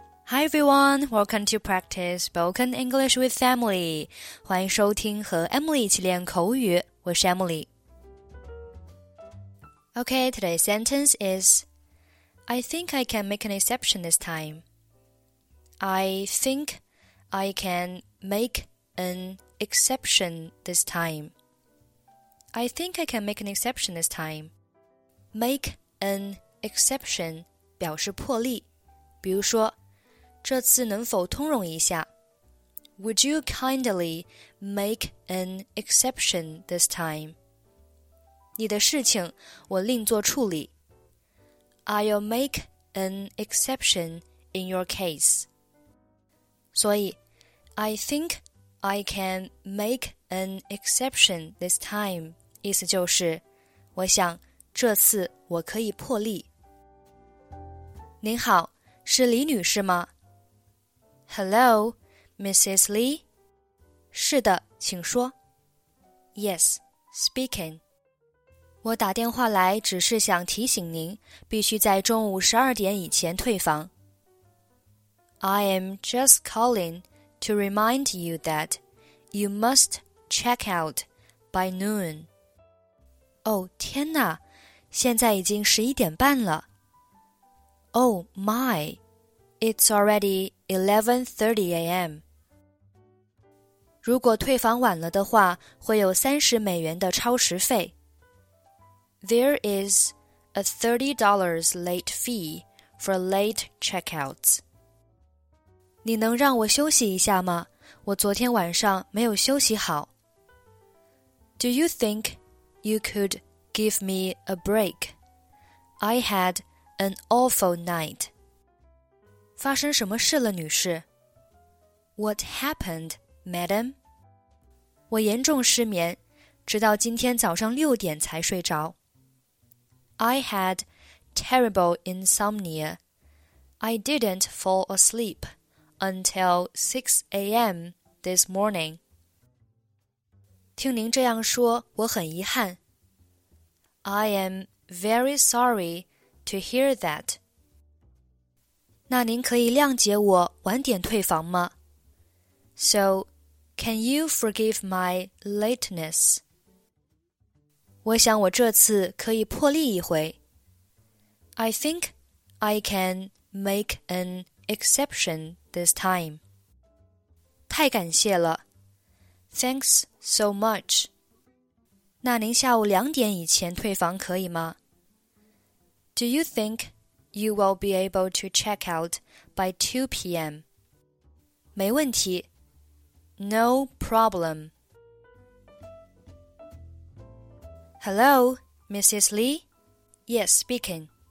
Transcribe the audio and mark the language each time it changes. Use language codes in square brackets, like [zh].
[en] Hi everyone, welcome to practice spoken English with Emily. [zh] 欢迎收听和 Emily 一起练口语，我是 Emily. [en] Okay, today's sentence is, I think I can make an exception this time. I think I can make an exception this time. I think I can make an exception this time. [zh] Make an exception 表示破例，比如说这次能否通融一下? [en] Would you kindly make an exception this time? [zh] 你的事情我另作处理。 [en] I'll make an exception in your case. 所以, I think I can make an exception this time. [zh] 意思就是,我想这次我可以破例。您好,是李女士吗? [en] Hello, Mrs. Lee? [zh] 是的,请说。 [en] Yes, speaking. [zh] 我打电话来只是想提醒您必须在中午12点以前退房。 [en] I am just calling to remind you that you must check out by noon. [zh] 哦,天哪,现在已经11点半了。 [en] Oh my, it's already 11:30 a.m. [zh] 如果退房晚了的话,会有30美元的超时费。 [en] There is a $30 late fee for late checkouts. [zh] 你能让我休息一下吗? 我昨天晚上没有休息好。 [en] Do you think you could give me a break? I had an awful night. [zh] 发生什么事了，女士？ [en] What happened, madam? [zh] 我严重失眠，直到今天早上六点才睡着。 [en] I had terrible insomnia. I didn't fall asleep until 6 a.m. this morning. [zh] 听您这样说，我很遗憾。 [en] I am very sorry to hear that. [zh] 那您可以谅解我晚点退房吗? [en] So, can you forgive my lateness? [zh] 我想我这次可以破例一回。 [en] I think I can make an exception this time. [zh] 太感谢了。 [en] Thanks so much. [zh] 那您下午两点以前退房可以吗? [en] Do you think... You will be able to check out by 2 p.m. [zh] 没问题。 [en] No problem. Hello, Mrs. Lee? Yes, speaking.